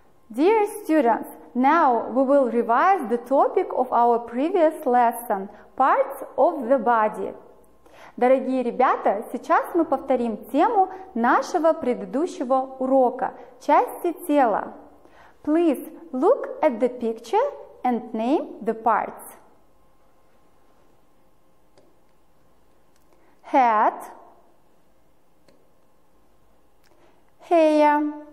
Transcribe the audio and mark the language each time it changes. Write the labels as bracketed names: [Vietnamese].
[English] Dear students, now we will revise the topic of our previous lesson, parts of the body. [Russian] Дорогие ребята, сейчас мы повторим тему нашего предыдущего урока, части тела. [English] Please look at the picture and name the parts. Head, hair,